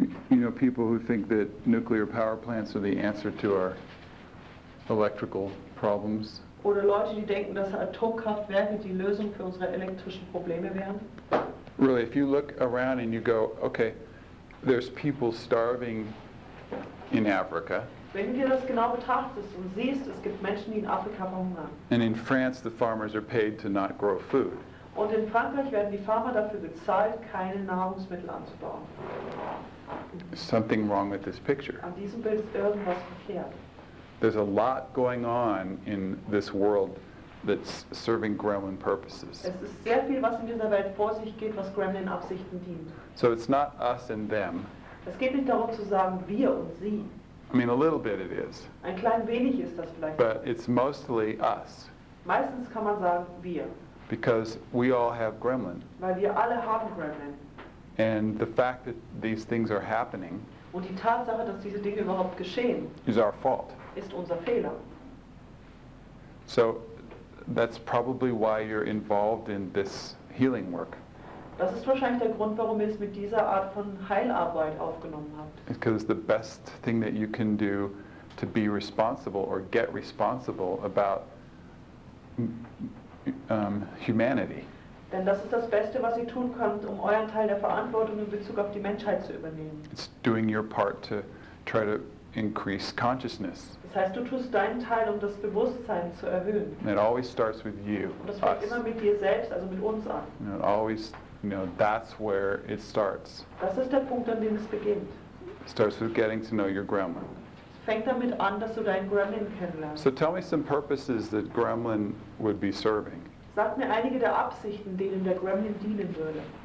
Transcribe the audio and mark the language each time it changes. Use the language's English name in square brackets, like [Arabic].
[English] You know, people who think that nuclear power plants are the answer to our electrical problems. [German] Oder Leute, die denken, dass Atomkraftwerke die Lösung für unsere elektrischen Probleme wären. [English] Really, if you look around and you go, okay, there's people starving in Africa. [German] Wenn du dir das genau betrachtest und siehst, es gibt Menschen, die in Afrika verhungern. [English] And in France, the farmers are paid to not grow food. [German] Und in Frankreich werden die Farmer dafür bezahlt, keine Nahrungsmittel anzubauen. [English] Something wrong with this picture. [German] An diesem Bild ist irgendwas verkehrt. [English] There's a lot going on in this world that's serving Gremlin purposes. [German] Es ist sehr viel, was in dieser Welt vor sich geht, was Gremlin-Absichten dient. [English] So it's not us and them. [German] Es geht nicht darum zu sagen, wir und sie. [English] I mean, a little bit it is. [German] Ein klein wenig ist das vielleicht. [English] But it's mostly us. [German] Meistens kann man sagen, wir. [English] Because we all have gremlin. [German] Weil wir alle haben gremlin. [English] And the fact that these things are happening, [German] und die Tatsache, dass diese Dinge überhaupt geschehen, [English] is our fault. [German] Ist unser Fehler. [English] So that's probably why you're involved in this healing work. [German] Das ist wahrscheinlich der Grund, warum ihr es mit dieser Art von Heilarbeit aufgenommen habt. [English] Because the best thing that you can do to be responsible or get responsible about humanity. [German] Denn das ist das Beste, was ihr tun könnt, um euren Teil der Verantwortung in Bezug auf die Menschheit zu übernehmen. [English] It's doing your part to try to increase consciousness. [German] Das heißt, du tust deinen Teil, um das Bewusstsein zu erhöhen. [English] And it always starts with you. [German] Und das fängt immer mit dir selbst, also mit uns an. [English] And it always, you know, that's where it starts. [German] Das ist der Punkt, an dem es beginnt. [English] It starts with getting to know your gremlin. [German] Fängt damit an, dass du deinen Gremlin kennenlernst. [English] So tell me some purposes that gremlin would be serving. [German] Sag mir einige der Absichten, denen der Gremlin dienen würde.